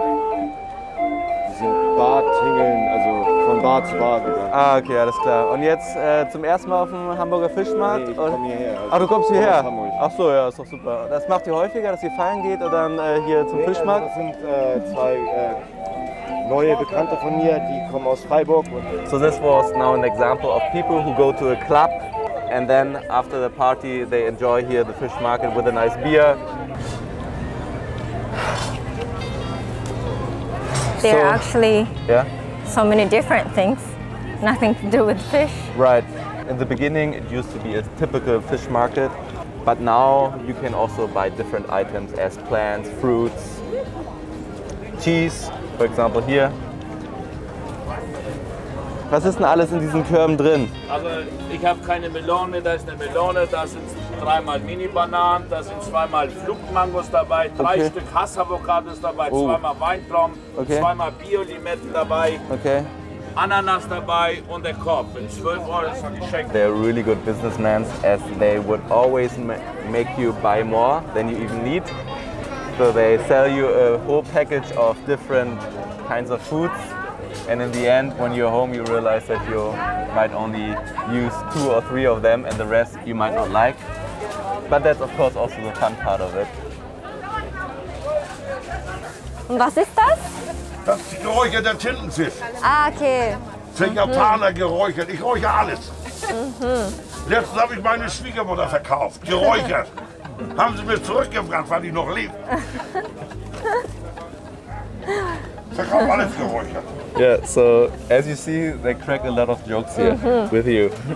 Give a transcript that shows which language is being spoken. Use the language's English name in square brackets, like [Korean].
[German] Wir sind Bar tingeln, also von Bar zu Bar gegangen. Ah, okay, alles klar. Und jetzt zum ersten Mal auf dem Hamburger Fischmarkt? Nee, ich komme hierher. Ach, du kommst ich hierher? Komm aus Hamburg. Ach so, ja, ist doch super. Das macht ihr häufiger, dass ihr feiern geht und dann hier zum Fischmarkt? Also das sind zwei neue Bekannte von mir, die kommen aus Freiburg. Und [English] so this was now an example of people who go to a club. And then after the party, they enjoy here the fish market with a nice beer. There are actually so many different things, nothing to do with fish. Right. In the beginning, it used to be a typical fish market, but now you can also buy different items as plants, fruits, cheese, for example, here. [German] Was ist denn alles in diesen Körben drin? Also ich habe keine Melone mehr, da ist eine Melone, da sind 3x Mini-Bananen, da sind 2x Flugmangos dabei, 3 okay. Stück Hassavocados dabei, 2x Weintrauben, okay. 2x Bio-Limetten dabei, okay. Ananas dabei und der Korb. In 12 Euro ist schon geschenkt. [English] They're really good businessmen, as they would always make you buy more than you even need. So they sell you a whole package of different kinds of foods. And in the end, when you're home, you realize that you might only use 2 or 3 of them and the rest you might not like. But that's of course also the fun part of it. [German] Und was ist das? Das ist geräucherter Tintenfisch. Ah, okay. Zingapaner geräuchert. Ich räuche alles. Letztens habe ich meine Schwiegermutter verkauft. Geräuchert. Haben sie mir zurückgebracht, weil ich noch lebe. Verkauf alles geräuchert. [English] Yeah, so as you see, they crack a lot of jokes here with you.